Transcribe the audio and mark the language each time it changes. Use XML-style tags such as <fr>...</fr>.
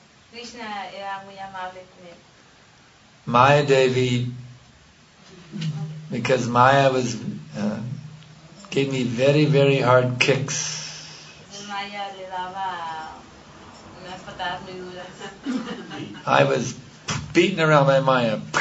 <es>Krishna era muy amable con él.</es> <en>Maya Devi, because Maya was gave me very, very hard kicks.</en> <es>Maya le daba unas patadas muy duras.</es> <en>I was beaten around by Maya.</en>